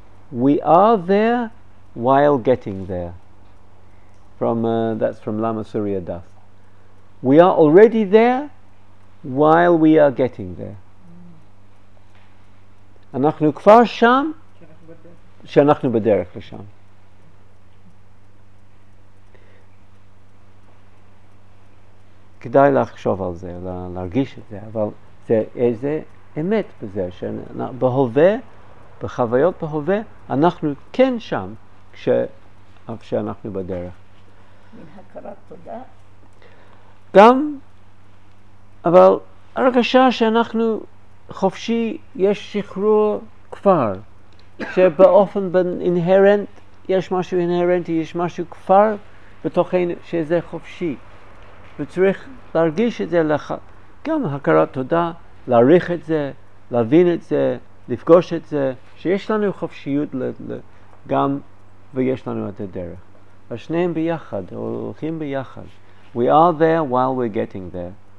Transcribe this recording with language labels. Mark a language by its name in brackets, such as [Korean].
[English] We are there while getting there. That's from Lama Surya Das. We are already there while we are getting there. [Hebrew] אנחנו כבר שם, שאנחנו בדרך לשם. כדאי לחשוב על זה, להרגיש את זה, אבל זה איזה אמת בזה, שבהווה, בחוויות בהווה, אנחנו כן שם, כשאנחנו בדרך. מן הכרת תודה. גם, אבל הרגשה שאנחנו חופשי, יש שחרור כבר, שבאופן אינהרנט, יש משהו אינהרנטי, יש משהו כבר בתוכנו שזה חופשי. וצריך להרגיש את זה, גם הכרת תודה, להעריך את זה, להבין את זה, לפגוש את זה, שיש לנו חופשיות גם, ויש לנו את הדרך. השניהם ביחד, הולכים ביחד. [English] We are there while we're getting there.